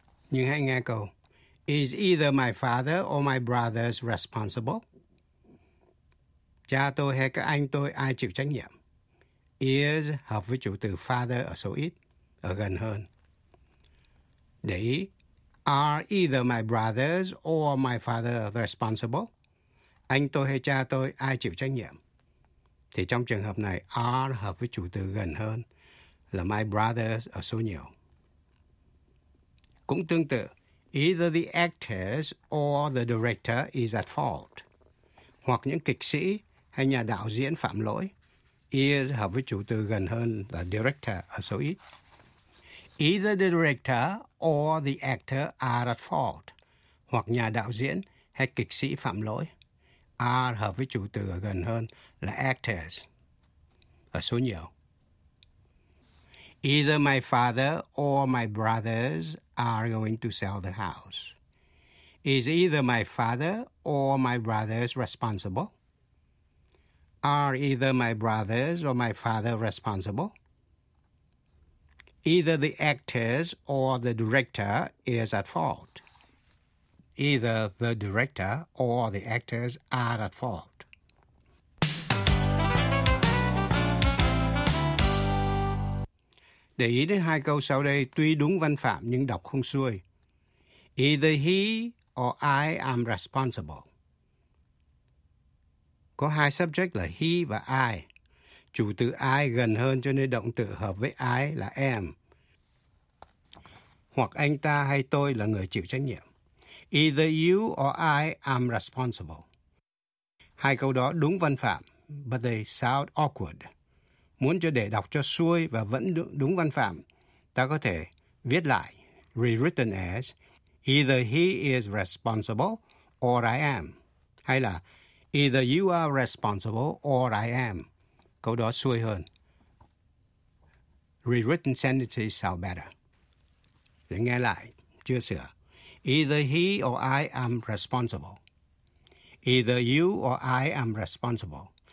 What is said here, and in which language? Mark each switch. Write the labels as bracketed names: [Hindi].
[Vietnamese] Nhưng hãy nghe câu. [English] Is either my father or my brothers responsible? [Vietnamese] Cha tôi hay các anh tôi ai chịu trách nhiệm? Is hợp với chủ từ father ở số ít, ở gần hơn. Để ý, [English] Are either my brothers or my father responsible? [Vietnamese] Anh tôi hay cha tôi, ai chịu trách nhiệm? Thì trong trường hợp này, are hợp với chủ từ gần hơn là my brothers ở số nhiều. Cũng tương tự, [English] either the actors or the director is at fault. [Vietnamese] Hoặc những kịch sĩ hay nhà đạo diễn phạm lỗi. Is hợp với chủ từ gần hơn là director ở số ít. [English] Either the director or the actor are at fault. [Vietnamese] Hoặc nhà đạo diễn hay kịch sĩ phạm lỗi. Are hợp với chủ từ gần hơn là actors ở số nhiều. [English] Either my father or my brothers are going to sell the house. Is either my father or my brothers responsible? Are either my brothers or my father responsible? Either the actors or the director is at fault. Either the director or the actors are at fault. [Vietnamese] Để ý đến hai câu sau đây, tuy đúng văn phạm nhưng đọc không xuôi. [English] Either he or I am responsible. [Vietnamese] Có hai subject là he và I. Chủ từ I gần hơn cho nên động từ hợp với I là am. Hoặc anh ta hay tôi là người chịu trách nhiệm. [English] Either you or I am responsible. [Vietnamese] Hai câu đó đúng văn phạm, [English] but they sound awkward. [Vietnamese] Muốn cho để đọc cho xuôi và vẫn đúng văn phạm, ta có thể viết lại, rewritten as, [English] either he is responsible or I am. [Vietnamese] Hay là, [English] either you are responsible or I am. [Vietnamese] Câu đó xuôi hơn. [English] Rewritten sentences sound better. [Vietnamese] Để nghe lại, chưa sửa. [English] Either he or I am responsible. Either you or I am responsible.